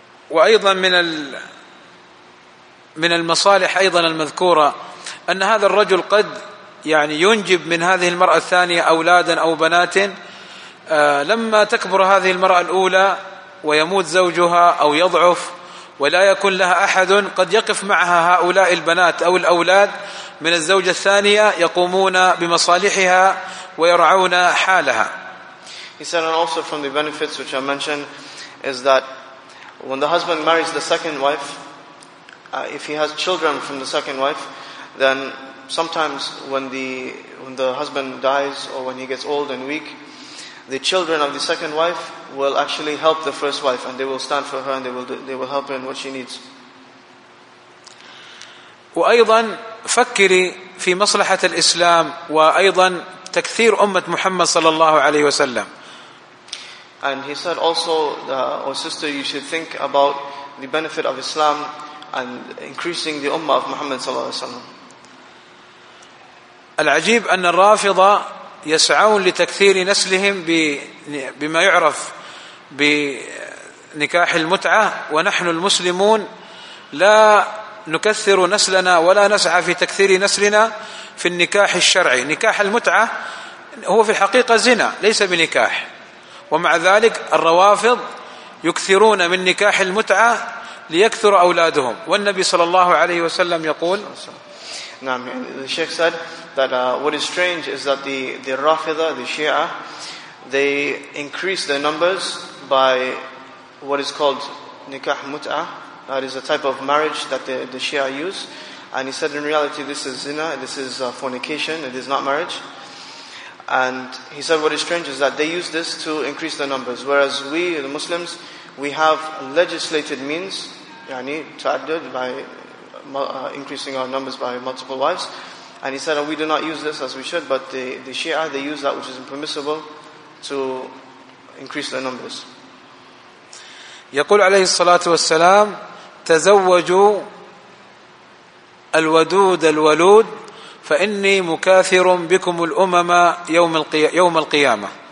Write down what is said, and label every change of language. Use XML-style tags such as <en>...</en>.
<ar>وأيضا من المصالح أيضا المذكورة أن هذا الرجل قد يعني ينجب من هذه المرأة الثانية أولادا أو بنات، لما تكبر هذه المرأة الأولى ويموت زوجها أو يضعف ولا يكون لها أحد، قد يقف معها هؤلاء البنات أو الأولاد من الزوجة الثانية يقومون بمصالحها ويرعون حالها.</ar> <en>He said, and also from the benefits which I mentioned is that when the husband marries the second wife, if he has children from the second wife, then sometimes when the husband dies or when he gets old and weak, the children of the second wife will actually help the first wife, and they will stand for her, and they will help her in what she needs.</en> <ar>وأيضا فكري في مصلحة الإسلام وأيضا تكثير أمة محمد صلى الله عليه وسلم.</ar> <en>And he said also, oh sister, you should think about the benefit of Islam and increasing the ummah of Muhammad</en> <ar>صلى الله عليه وسلم. العجيب أن الرافضة يسعون لتكثير نسلهم بما يعرف بنكاح المتعة، ونحن المسلمون لا نكثر نسلنا ولا نسعى في تكثير نسلنا في النكاح الشرعي. نكاح المتعة هو في الحقيقة زنا، ليس بنكاح، ومع ذلك الروافض يكثرون من نكاح المتعة ليكثر أولادهم، والنبي صلى الله عليه وسلم يقول. نعم.</ar> <en>The Sheikh said that what is strange is that the Rafida, the Shia, they increase their numbers by what is called nikah muta, that is a type of marriage that the Shia use. And he said in reality this is zina, this is fornication, it is not marriage. And he said what is strange is that they use this to increase their numbers, whereas we, the Muslims, we have legislated means, yani ta'addud, by increasing our numbers by multiple wives. And he said, we do not use this as we should, but the Shia, they use that which is impermissible to increase their numbers.</en> <ar>يقول عليه الصلاة والسلام تزوجوا الودود الولود فإني مكاثر بكم الأمم يوم القيامة.</ar>